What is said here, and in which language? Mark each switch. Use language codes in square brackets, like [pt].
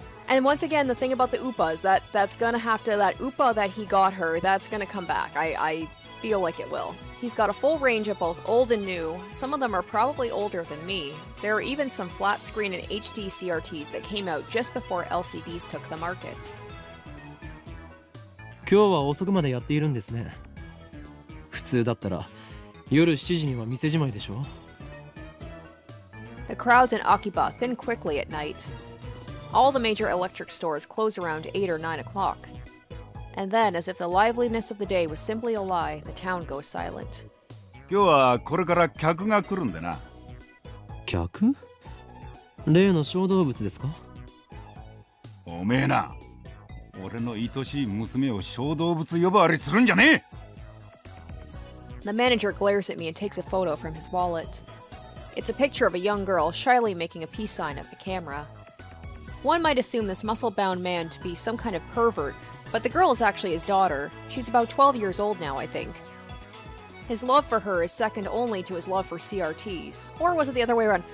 [en] And once again, the thing about the Oopas, that's gonna come back. I feel like it will. He's got a full range of both old and new. Some of them are probably older than me. There are even some flat screen and HD CRTs that came out just before LCDs took the market. [ja] 今日は遅くまでやっているんですね。普通だったら夜7時には店じまいでしょ? [en] The crowds in Akiba thin quickly at night. All the major electric stores close around 8 or 9 o'clock. And then, as if the liveliness of the day was simply a lie, the town goes silent. [ja] 今日はこれから客が来るんでな。客?例の小動物ですか? おめえな。俺の愛しい娘を小動物呼ばわりするんじゃねえ。 [en] The manager glares at me and takes a photo from his wallet. It's a picture of a young girl shyly making a peace sign at the camera. One might assume this muscle-bound man to be some kind of pervert, but the girl is actually his daughter. She's about 12 years old now, I think. His love for her is second only to his love for CRTs. Or was it the other way around?